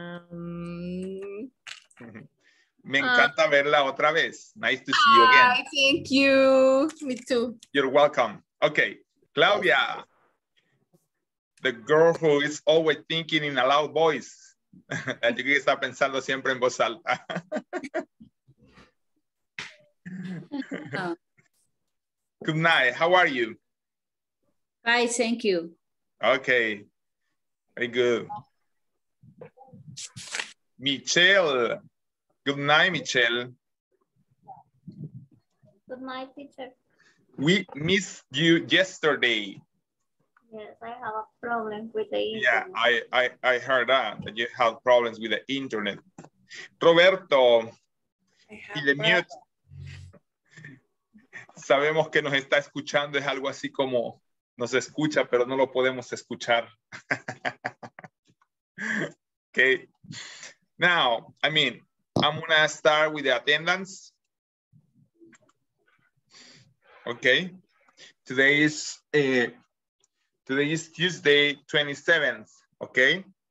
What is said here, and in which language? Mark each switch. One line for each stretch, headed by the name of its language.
Spanish: Me encanta verla otra vez.
English: Nice to see you again. Thank you. Me too. You're welcome. Okay, Claudia. the girl who is always thinking in a loud voice.
Spanish: La chica que está pensando siempre en voz alta.
English: Good night. How are you? Fine, thank you. Okay. Very good. Michelle. Good night, Michelle. Good night, teacher. We missed you yesterday. Yes, I have a problem with the internet. Yeah, I heard that you have problems with the internet. Roberto. I have mute.
Spanish: Sabemos que nos está escuchando, es algo así como nos escucha, pero no lo podemos escuchar.
English: Okay. Now, I mean, I'm going to start with the attendance. Okay. Today is Tuesday, 27th. Okay.